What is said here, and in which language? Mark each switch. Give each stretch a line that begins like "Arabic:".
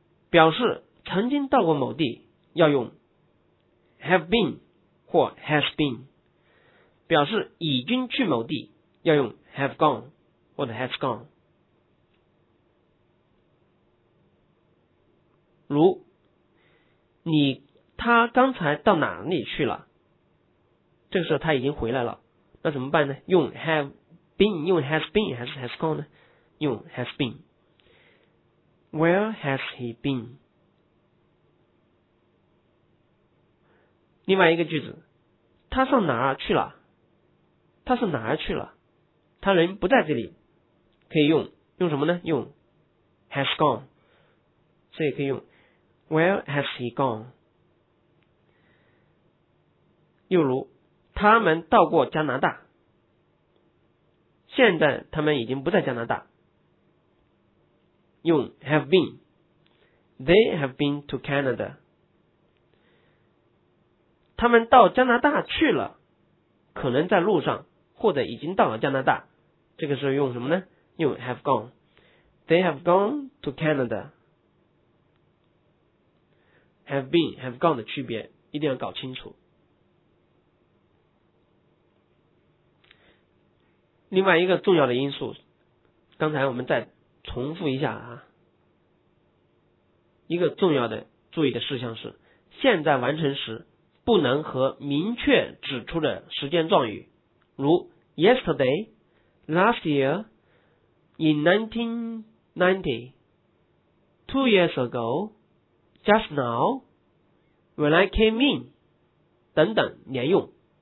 Chinese: 表示曾经到过某地要用 have been 或 has been，表示已经去某地要用 have gone 或者 has gone。如他刚才到哪里去了，这个时候他已经回来了，那怎么办呢？用 have been 用 has been 还是 has gone 呢？用 has been。
English: Where has he been?
Chinese: 另外一个句子，他上哪儿去了？他上哪儿去了？他人不在这里，可以用什么呢？用 has gone， 这也可以用
English: where has he gone。
Chinese: 又如，他们到过加拿大，现在他们已经不在加拿大，用 have been，
English: they have been to Canada。
Chinese: 他们到加拿大去了，可能在路上，或者已经到了加拿大。这个时候用什么呢？用 have gone，
English: they have gone to Canada。
Chinese: have been have gone 的区别一定要搞清楚。另外一个重要的因素，刚才我们再重复一下啊，一个重要的注意的事项是，现在完成时不能和明确指出的时间状语，如 yesterday、last year、in 1990、two years ago、just now、
English: when I came in
Chinese: 等等连用，